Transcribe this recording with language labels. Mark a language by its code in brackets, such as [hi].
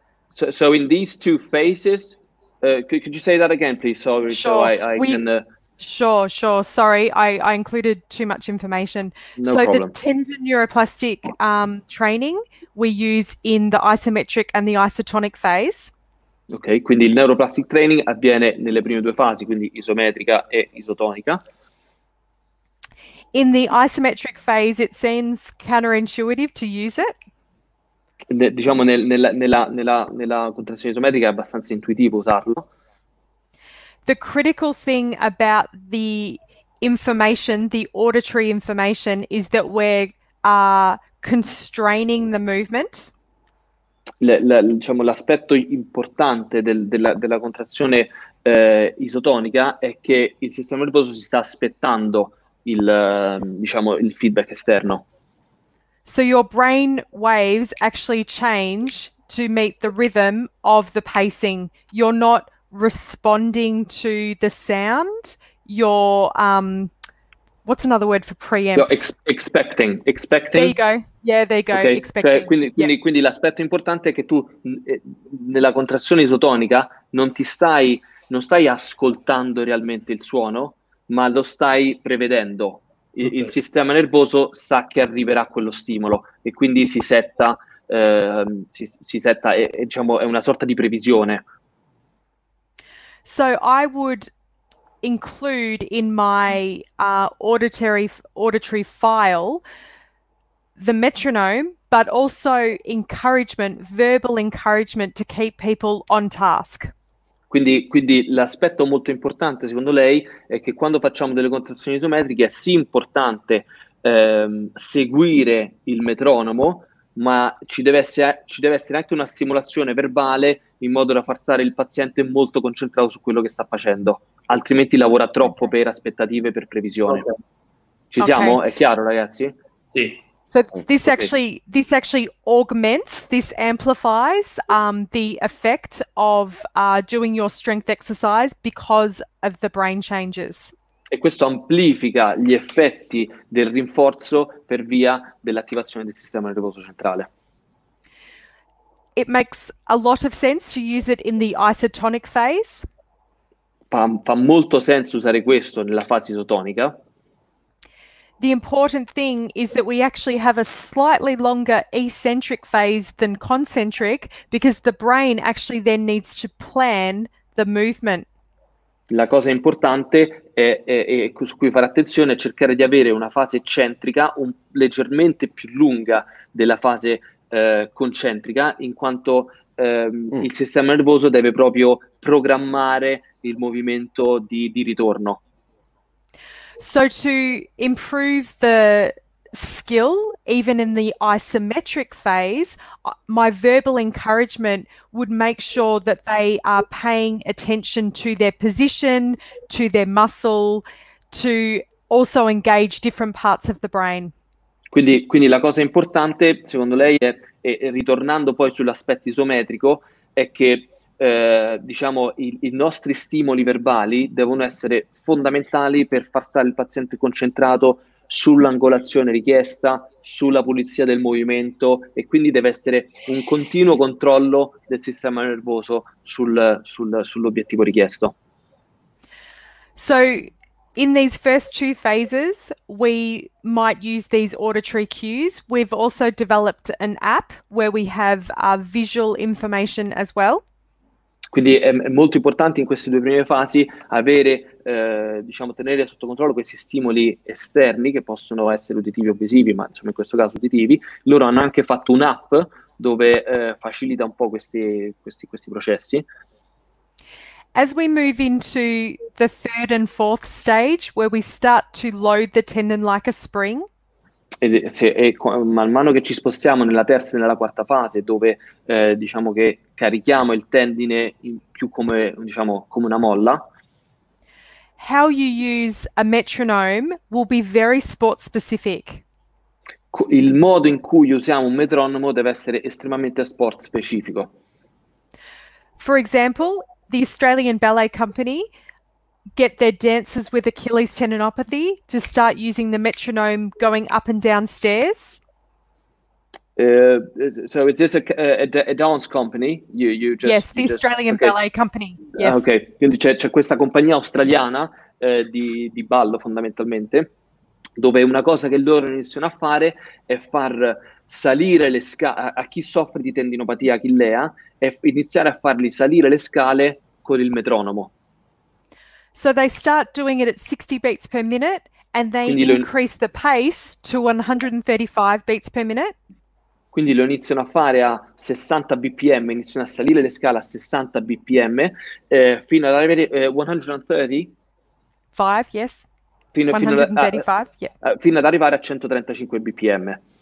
[en] So in these two phases, could you say that again, please? Sorry. Sure. So Sure. Sorry, I included too much information. No so problem. The tendon neuroplastic training we use in the isometric and the isotonic phase. [it] Ok, quindi il neuroplastic training avviene nelle prime due fasi, quindi isometrica e isotonica. [en] In the isometric phase it seems counterintuitive to use it. [it] Diciamo nella contrazione isometrica è abbastanza intuitivo usarlo. [en] The critical thing about the information, the auditory information, is that we're constraining the movement. [it] L'aspetto importante della contrazione isotonica è che il sistema nervoso si sta aspettando il feedback esterno. [en] So your brain waves actually change to meet the rhythm of the pacing. You're not responding to the sound. You're what's another word for preempt? Expecting. There you go. Yeah, there you go. Okay. Expecting. [it] Cioè, quindi l'aspetto importante è che tu nella contrazione isotonica non stai ascoltando realmente il suono, ma lo stai prevedendo. Okay. Il sistema nervoso sa che arriverà quello stimolo e quindi si setta e diciamo è una sorta di previsione. [en] So I would include in my auditory file the metronome, but also encouragement, verbal encouragement to keep people on task. [it] Quindi l'aspetto molto importante, secondo lei, è che quando facciamo delle contrazioni isometriche è sì importante seguire il metronomo, ma ci deve essere anche una stimolazione verbale in modo da far stare il paziente molto concentrato su quello che sta facendo, altrimenti lavora troppo okay. per aspettative, per previsione. Okay. Ci siamo? Okay. È chiaro, ragazzi? Sì. [en] So this actually augments, this amplifies the effect of doing your strength exercise because of the brain changes. [it] E questo amplifica gli effetti del rinforzo per via dell'attivazione del sistema nervoso centrale. [en] It makes a lot of sense to use it in the isotonic phase. [it] Fa molto senso usare questo nella fase isotonica. [en] The important thing is that we actually have a slightly longer eccentric phase than concentric because the brain actually then needs to plan the movement. [it] La cosa importante è su cui fare attenzione è cercare di avere una fase eccentrica leggermente più lunga della fase concentrica, in quanto il sistema nervoso deve proprio programmare il movimento di ritorno. [en] So to improve the skill, even in the isometric phase, my verbal encouragement would make sure that they are paying attention to their position, to their muscle, to also engage different parts of the brain. [it] Quindi la cosa importante, secondo lei, è ritornando poi sull'aspetto isometrico, è che diciamo i nostri stimoli verbali devono essere fondamentali per far stare il paziente concentrato sull'angolazione richiesta, sulla pulizia del movimento, e quindi deve essere un continuo controllo del sistema nervoso sull'obiettivo richiesto. [en] So in these first two phases we might use these auditory cues. We've also developed an app where we have our visual information as well. [it] Quindi è molto importante in queste due prime fasi avere, diciamo, tenere sotto controllo questi stimoli esterni che possono essere uditivi o visivi, ma insomma in questo caso uditivi. Loro hanno anche fatto un'app dove facilita un po' questi processi. [en] As we move into the third and fourth stage, where we start to load the tendon like a spring, [it] Man mano che ci spostiamo nella terza e nella quarta fase, dove diciamo che carichiamo il tendine più come, diciamo, come una molla, [en] how you use a metronome will be very sport specific. [it] Il modo in cui usiamo un metronomo deve essere estremamente sport specifico. [en] For example, the Australian Ballet Company get their dancers with Achilles tendinopathy to start using the metronome going up and down stairs. So is this a dance company? Ballet company. Yes. Okay. [it] Quindi c'è questa compagnia australiana di ballo, fondamentalmente, dove una cosa che loro iniziano a fare è far salire le scale a chi soffre di tendinopatia achillea, e iniziare a farli salire le scale con il metronomo. [en] So they start doing it at 60 beats per minute and they increase the pace to 135 beats per minute. [it] Quindi lo iniziano a fare a 60 bpm, iniziano a salire le scale a 60 bpm fino ad arrivare a 135 bpm.